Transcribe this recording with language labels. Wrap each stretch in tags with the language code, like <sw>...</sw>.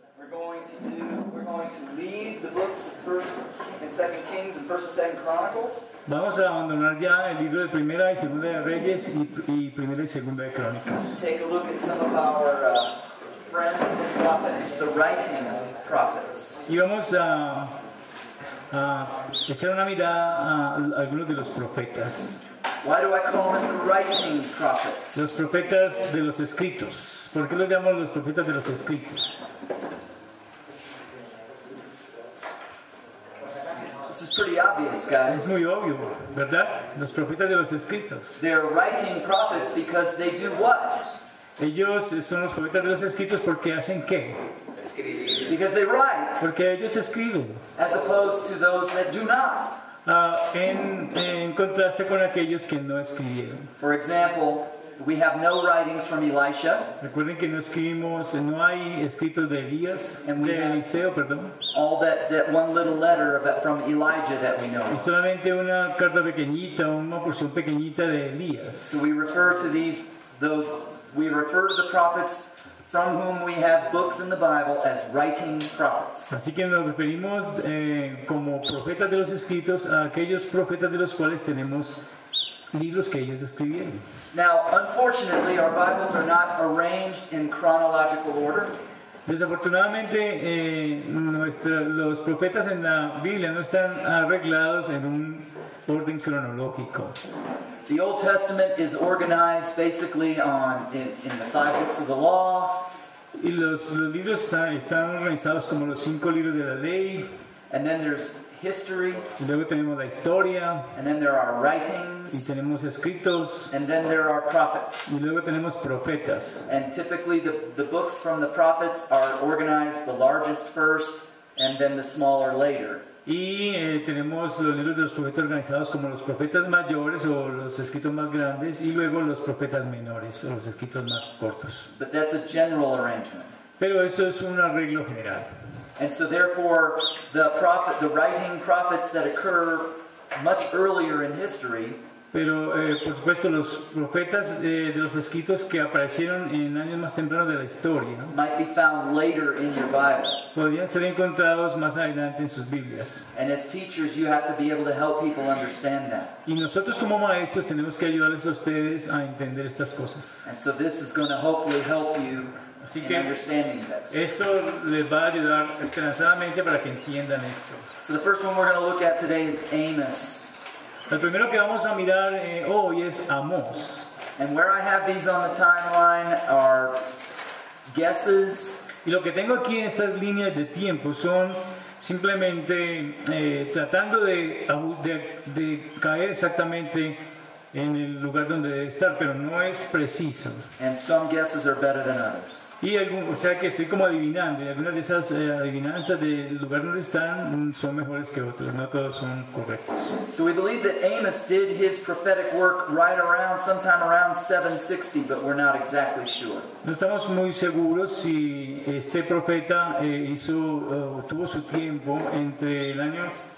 <en>going to leave the books of 1 and 2 Kings and 1 and 2 Chronicles.</en> <es>Vamos a abandonar ya el libro de Primera y Segunda de Reyes y Primera y Segunda de Crónicas.</es> <en>Take a look at some of our friends and prophets, the writing prophets.</en> <es>Y vamos a echar una mirada a algunos de los profetas.</es> <en>Why do I call them writing prophets?</en> <es>Los profetas de los escritos. ¿Por qué los llamo los profetas de los escritos?</es> <en>This is pretty obvious, guys.</en> <es>Es muy obvio, ¿verdad? Los profetas de los escritos.</es> <en>They're writing prophets because they do what?</en> <es>Ellos son los profetas de los escritos porque hacen qué?</es> <en>Because they write.</en> <es>Porque ellos escriben.</es> <en>As opposed to those that do not.</en> <es>En contraste con aquellos que no escribieron.</es> <en>For example, we have no writings from Elisha.</en> <es>Recuerden que no escribimos, no hay escritos de Elías, de Eliseo, perdón.</es> <en>All that one little letter from Elijah that we know.</en> <es>Y solamente una carta pequeñita, una porción pequeñita de Elías.</es> <en>So we refer to the prophets from whom we have books in the Bible as writing prophets.</en> <es>Así que nos referimos como profetas de los escritos a aquellos profetas de los cuales tenemos libros que ellos escribieron.</es> <en>Now, unfortunately, our Bibles are not arranged in chronological order.</en> <es>Desafortunadamente, los profetas en la Biblia no están arreglados en un orden cronológico.</es> <en>The Old Testament is organized basically in the 5 books of the law.</en> <es>Y los libros están organizados como los 5 libros de la ley.</es> <en>And then there's history.</en> <es>Y luego tenemos la historia.</es> <en>And then there are writings.</en> <es>Y tenemos escritos.</es> <en>And then there are prophets.</en> <es>Y luego tenemos profetas.</es> <en>And typically the books from the prophets are organized the largest first and then the smaller later.</en> <es>Y tenemos los libros de los profetas organizados como los profetas mayores o los escritos más grandes y luego los profetas menores o los escritos más cortos.</es> <en>But that's a general arrangement.</en> <es>Pero eso es un arreglo general.</es> <en>And so therefore the writing prophets that occur much earlier in history.</en> <es>Pero por supuesto los profetas de los escritos que aparecieron en años más tempranos de la historia</es> <en>might be found later in your Bible.</en> <es>Podrían ser encontrados más adelante en sus Biblias.</es> <en>And as teachers, you have to be able to help people understand that.</en> <es>Y nosotros como maestros tenemos que ayudarles a ustedes a entender estas cosas.</es> <en>And so this is going to hopefully help you.</en> <es>Así que</es> <en>understanding this.</en> <es>Esto les va a ayudar esperanzadamente para que entiendan esto.</es> <en>So the first one we're going to look at today is Amos.</en> <es>El primero que vamos a mirar hoy es Amos.</es> <en>And where I have these on the timeline are guesses.</en> <es>Y lo que tengo aquí en estas líneas de tiempo son simplemente tratando de caer exactamente en el lugar donde debe estar, pero no es preciso.</es> <en>And some guesses are better than others.</en> <es>Y o sea que estoy como adivinando, y algunas de esas adivinanzas del lugar donde están son mejores que otras, no todas son correctas.</es> <en>So we believe that Amos did his prophetic work right around, sometime around 760, but we're not exactly sure.</en> <es>No estamos muy seguros si este profeta tuvo su tiempo entre el año</es>